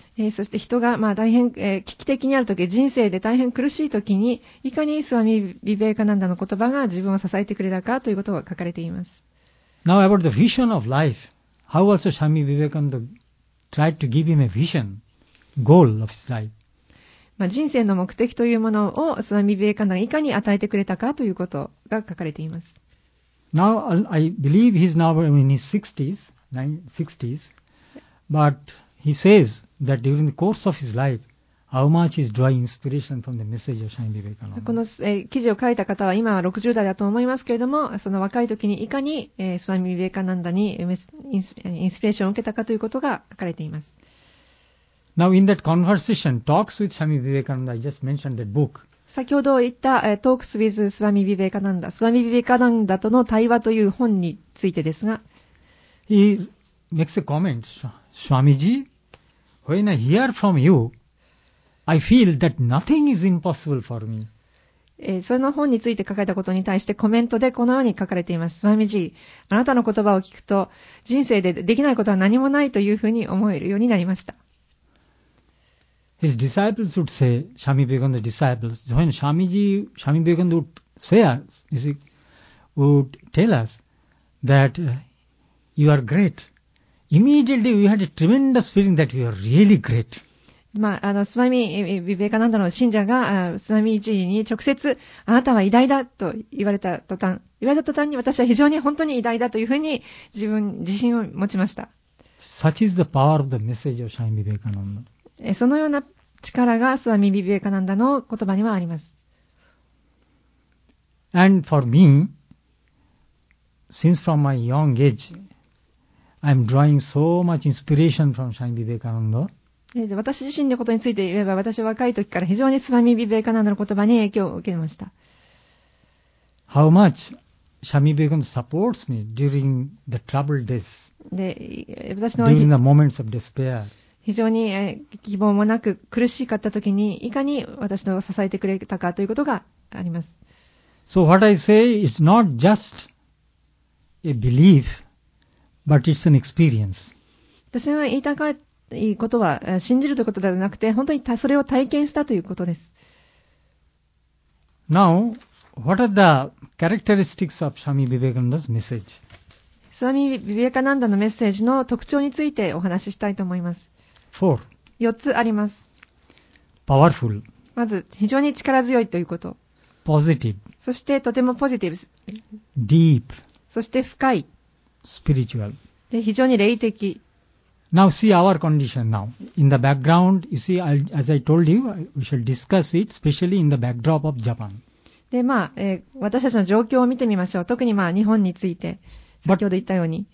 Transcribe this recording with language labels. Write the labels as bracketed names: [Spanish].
[Japanese] そして人が、まあ、大変、危機的にあるとき、人生で大変苦しいときに、いかにスワミ・ヴィヴェカナンダの言葉が自分を支えてくれたかということが書かれています。 [English] Now about the vision of life. How also Swami Vivekananda tried to give him a vision, goal of his life. [Japanese] まあ、人生の目的というものをスワミビベカナンダがいかに与えてくれたかということが書かれています。 [English] Now I believe he's now in his 60s, but he says that during the course of his life how much he's drawing inspiration from the message of Swami Vivekananda. [Japanese] この、記事を書いた方は今は60代だと思いますけれども、その若い時にいかに、スワミビベカナンダにインスピレーションを受けたかということが書かれています。 [English] Now in that conversation, talks with Swami Vivekananda, I just mentioned that book. [Japanese] 先ほど言った、 [English] Talks with Swami Vivekananda, [Japanese] Swami Vivekananda との対話という本についてですが、 [English] He makes a comment, Swamiji, when I hear from you, I feel that nothing is impossible for me. [Japanese] その本について書かれたことに対してコメントでこのように書かれています。 Swamiji, あなたの言葉を聞くと人生でできないことは何もないというふうに思えるようになりました。 [English] His disciples would say, Swami Vivekananda's disciples, when Swami Vivekananda would say us, you see, would tell us that you are great, immediately we had a tremendous feeling that you are really great. [Japanese] まあ、スワミ・ビベカナンダの信者が、スワミジーに直接、あなたは偉大だと言われた途端、に私は非常に本当に偉大だというふうに自分自信を持ちました。 [English] Such is the power of the message of Swami Vivekananda. [Japanese] そのような力がスワミ・ビベカナンダの言葉にはあります。 [English] And for me, since from my young age, I'm drawing so much inspiration from Swami Vivekananda. [Japanese] 私自身のことについて言えば、私は若い時から非常にスワミ・ビベカナンダの言葉に影響を受けました。 [English] How much Swami Vivekananda supports me during the troubled days? [Japanese] で、私の [English] during the moments of despair. [Japanese] 非常に希望もなく苦しかったときにいかに私を支えてくれたかということがあります。 [English] So what I say is not just a belief, but it's an experience. [Japanese] 私が言いたかったことは信じるということではなくて本当にそれを体験したということです。 [English] Now, what are the characteristics of Swami Vivekananda's message? [Japanese] スワミ・ビベカナンダのメッセージの特徴についてお話ししたいと思います。 4 つあります。 [English] Powerful. [Japanese] まず、非常に力強いということ。 [English] Positive. [Japanese] そして、とてもポジティブ。 [English] Deep. [Japanese] そして、深い。 [English] Spiritual. [Japanese] で、非常に霊的。 [English] Now, see our condition now. In the background, you see, as I told you, we shall discuss it, especially in the backdrop of Japan. [Japanese] で、まあ、私たちの状況を見てみましょう。特に、まあ、日本について、先ほど言ったように。